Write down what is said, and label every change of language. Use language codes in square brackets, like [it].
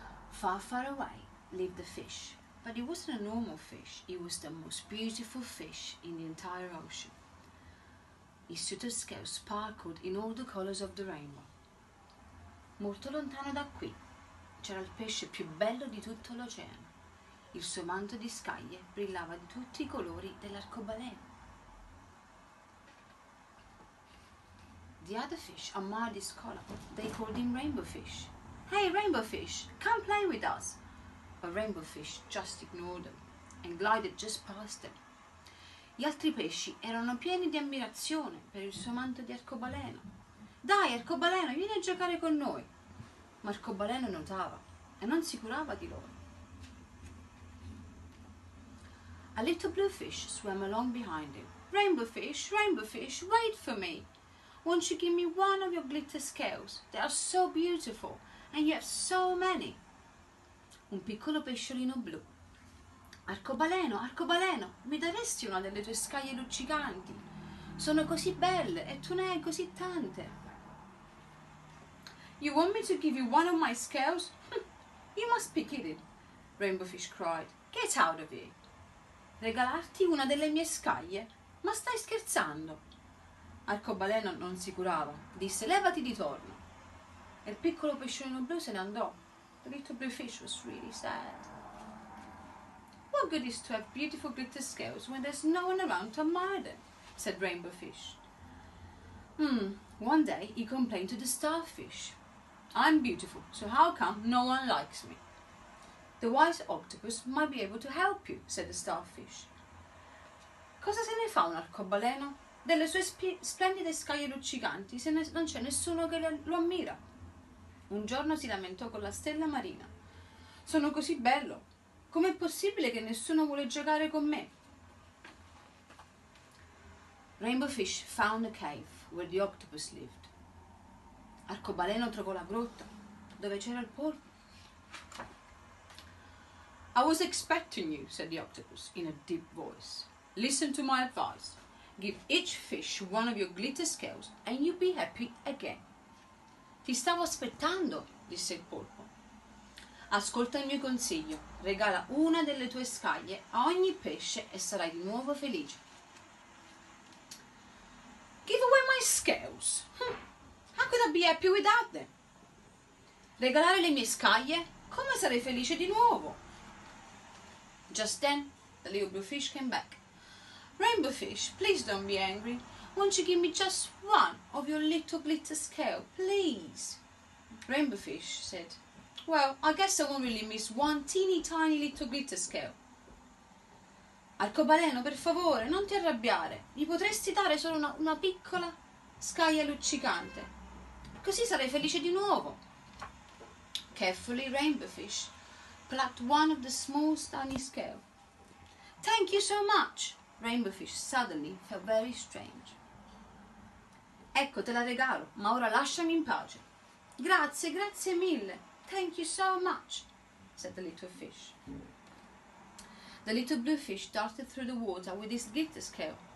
[en] Far, far away lived the fish, but it wasn't a normal fish. It was the most beautiful fish in the entire ocean. His suit of scales sparkled in all the colours of the rainbow. [it] Molto lontano da qui c'era il pesce più bello di tutto l'oceano. Il suo manto di scaglie brillava di tutti i colori dell'arcobaleno. [en] The other fish admired his colour. They called him Rainbow Fish. Hey, Rainbow Fish, come play with us. But Rainbow Fish just ignored them and glided just past them. [it] Gli altri pesci erano pieni di ammirazione per il suo manto di arcobaleno. Dai, arcobaleno, vieni a giocare con noi. Ma arcobaleno notava e non si curava di loro. [en] A little blue fish swam along behind him. Rainbow Fish, wait for me. Won't you give me one of your glitter scales? They are so beautiful. And you have so many. [it] Un piccolo pesciolino blu. Arcobaleno, arcobaleno, mi daresti una delle tue scaglie luccicanti? Sono così belle e tu ne hai così tante. [en] You want me to give you one of my scales? You must be kidding, Rainbow Fish cried. Get out of here. [it] Regalarti una delle mie scaglie? Ma stai scherzando? Arcobaleno non si curava. Disse, levati di torno. E il piccolo pesciolino blu se ne andò. [en] The little blue fish was really sad. What good is to have beautiful glitter scales when there's no one around to admire them? Said Rainbow Fish. One day he complained to the starfish. I'm beautiful, so how come no one likes me? The wise octopus might be able to help you, said the starfish. [it] Cosa se ne fa un arcobaleno? Delle sue splendide scaglie luccicanti se non c'è nessuno che lo ammira. Un giorno si lamentò con la stella marina. Sono così bello. Com'è possibile che nessuno vuole giocare con me? [en] Rainbow Fish found a cave where the octopus lived. [it] Arcobaleno trovò la grotta dove c'era il polpo. [en] I was expecting you, said the octopus in a deep voice. Listen to my advice. Give each fish one of your glitter scales and you'll be happy again. [it] Ti stavo aspettando, disse il polpo. Ascolta il mio consiglio. Regala una delle tue scaglie a ogni pesce e sarai di nuovo felice. [en] Give away my scales. How could I be happy without them? [it] Regalare le mie scaglie? Come sarei felice di nuovo? [en] Just then, the little blue fish came back. Rainbow Fish, please don't be angry. Won't you give me just one of your little glitter scale, please? Rainbow Fish said, well, I guess I won't really miss one teeny tiny little glitter scale. [it] Arcobaleno, per favore, non ti arrabbiare. Mi potresti dare solo una piccola scaglia luccicante? Così sarei felice di nuovo. [en] Carefully, Rainbow Fish plucked one of the small tiny scale. Thank you so much. Rainbow Fish suddenly felt very strange. [it] Ecco, te la regalo, ma ora lasciami in pace. Grazie, grazie mille. [en] Thank you so much, said the little fish. The little blue fish darted through the water with his glitter scale.